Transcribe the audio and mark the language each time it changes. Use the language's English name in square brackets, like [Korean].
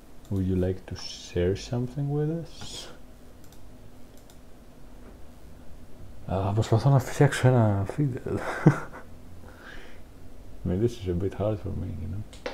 [English] Would you like to share something with us? [Greek] Προσπαθώ να φτιάξω ένα feed. [English] I mean, this is a bit hard for me, you know.